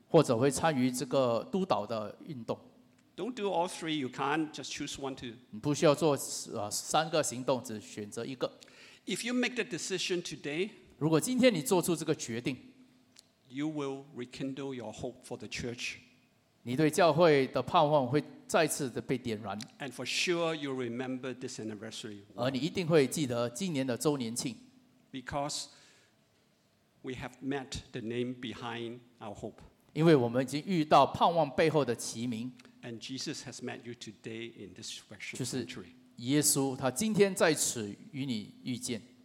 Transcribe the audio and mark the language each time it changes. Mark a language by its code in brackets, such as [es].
[zh] 或者会参与这个督导的运动。 [en] Don't do all three. You can't just choose one to. [zh] 不需要做三个行动，只选择一个。 [en] If you make the decision today, [zh] 如果今天你做出这个决定, [en] you will rekindle your hope for the church. [zh] 你对教会的盼望会再次的被点燃。 [en] And for sure, you'll remember this anniversary. [zh] 而你一定会记得今年的周年庆。 [en] Because we have met the name behind our hope. [zh] 因为我们已经遇到盼望背后的旗名。 [en] And Jesus has met you today in this special sanctuary. [zh] 耶稣他今天在此与你遇见。